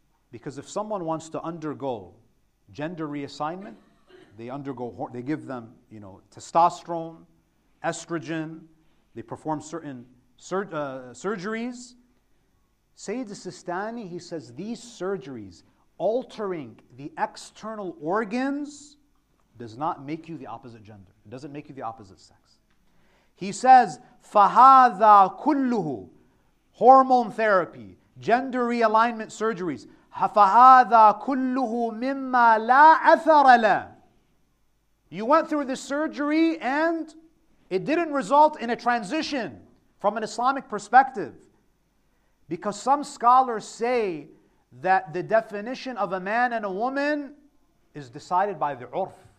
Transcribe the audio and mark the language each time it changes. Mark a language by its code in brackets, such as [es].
[en] Because if someone wants to undergo gender reassignment, they give them, you know, testosterone, estrogen, they perform certain surgeries. Sayyid Sistani, he says, these surgeries altering the external organs does not make you the opposite gender. It doesn't make you the opposite sex. He says, [ar] فَهَذَا كُلُّهُ [en] hormone therapy, gender realignment surgeries, [ar] فَهَذَا كُلُّهُ مِمَّا لَا أَثَرَ لَهُ. [en] You went through this surgery and it didn't result in a transition from an Islamic perspective. Because some scholars say that the definition of a man and a woman is decided by the urf.